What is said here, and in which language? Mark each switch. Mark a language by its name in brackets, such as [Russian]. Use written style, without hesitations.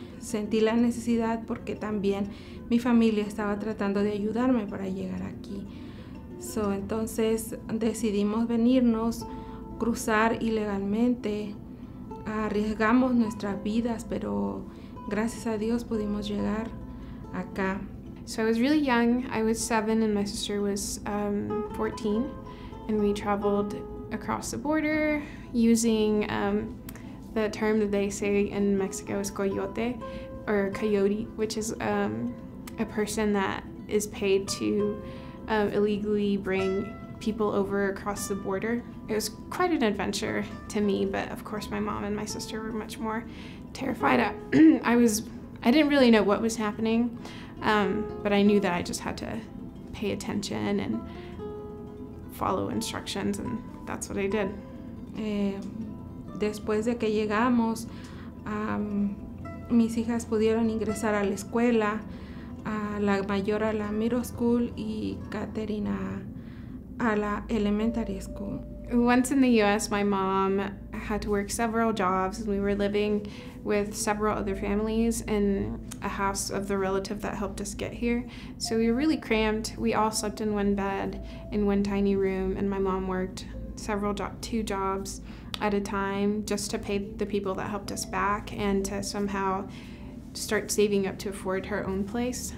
[Spanish] Sentí la necesidad porque también mi familia estaba tratando de ayudarme para llegar aquí. Entonces decidimos venirnos, cruzar ilegalmente, arriesgamos nuestras vidas, pero gracias a Dios pudimos llegar acá. [English] So I was really young. I was 7 and my sister was 14, and we traveled across the border using the term that they say in Mexico is coyote or coyote, which is a person that is paid to illegally bring people over across the border. It was quite an adventure to me, but of course my mom and my sister were much more terrified. I didn't really know what was happening, but I knew that I just had to pay attention and follow instructions, and that's what I did. [Spanish] Después de que llegamos, mis hijas pudieron ingresar a la escuela, a la mayor a la [English] middle school [Spanish] y Katerina a la [English] elementary school. Once in the U.S., my mom had to work several jobs, and we were living with several other families in a house of the relative that helped us get here. So we were really cramped. We all slept in one bed in one tiny room, and my mom worked two jobs at a time just to pay the people that helped us back and to somehow start saving up to afford her own place.